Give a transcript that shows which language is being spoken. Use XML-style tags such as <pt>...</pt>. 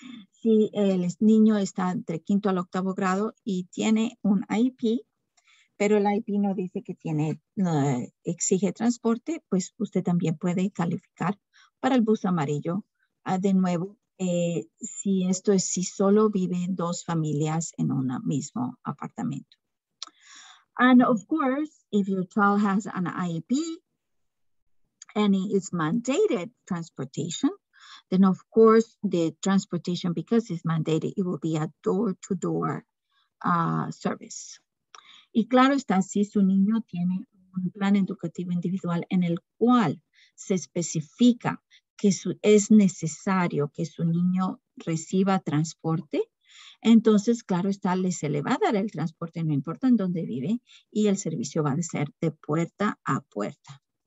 <es>Si el niño está entre quinto al octavo grado y tiene un IP, pero el IP no dice que tiene, no, exige transporte, pues usted también puede calificar para el bus amarillo. De nuevo, si esto es si solo viven dos familias en un mismo apartamento.</es> <en>And of course, if your child has an IP and it is mandated transportation, then of course the transportation, because it's mandated, it will be a door-to-door service.</en> <es>Y claro está, si su niño tiene un plan educativo individual en el cual se especifica que es necesario que su niño reciba transporte, entonces claro está, se le va a dar el transporte, no importa en dónde vive, y el servicio va a ser de puerta a puerta.</es>